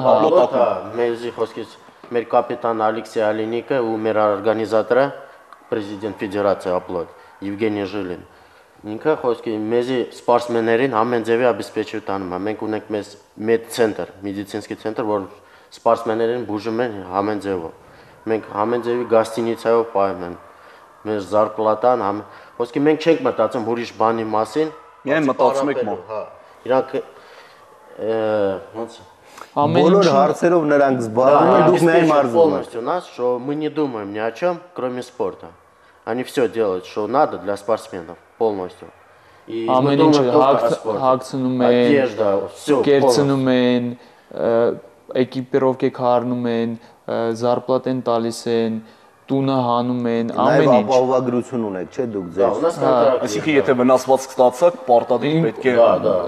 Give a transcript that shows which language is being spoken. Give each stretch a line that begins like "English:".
Armenian: հա, Ապլոտա։ Մեզի խոսքից մեր կապիտան Ալեքսեյ Ալենիկը ու մեր օրգանիզատորը պրեզիդենտ ֆեդերացիա Ապլոտ Եվգենիա Ժելին։ Ինքը խոսքի մեզի սպորտմեներին ամեն ձևի աբիսպեչի տանում է։ Մենք ունենք մեզ մեդ ցենտր, մեդիցինսկի ցենտր, որ սպորտմեներին բուժում են ամեն ձևով։ Մենք ամեն ձևի գաստինիցայով պայում են։ Մեր զարգլատան, խոսքի մենք չենք մտածում ուրիշ բանի մասին։ Միայն մտածում եք մո։ Հա։ Իրանք ամեն բոլոր հարցերով նրանք զբաղվում են, դուք միայն մարզում եք։
Russian: Նաս, что мы не думаем ни о чём, кроме спорта. Они всё делают, что надо для спортсменов полностью. И
Armenian: ամեն ինչ հագցնում են,
Russian: одежда, всё,
Armenian: կերցնում են, էկիպիրովկե քառնում են, զարպլատ են տալիս են, տունը հանում են, ամեն ինչ։ Նաև ապահովագրություն ունեք, չէ՞ դուք ձեզ։ Այսինքն եթե վնասված կստացաք, պարտադիր պետք է, դա,